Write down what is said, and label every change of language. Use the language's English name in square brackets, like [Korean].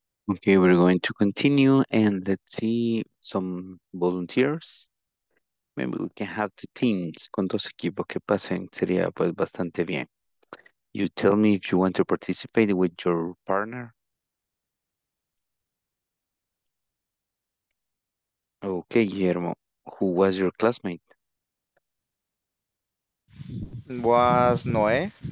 [English] Okay, we're going to continue and let's see some volunteers. Maybe we can have two teams. [Spanish] Con dos equipos que pasen sería pues bastante bien. [English] You tell me if you want to participate with your partner. Okay, Guillermo, who was your classmate? Was Noé.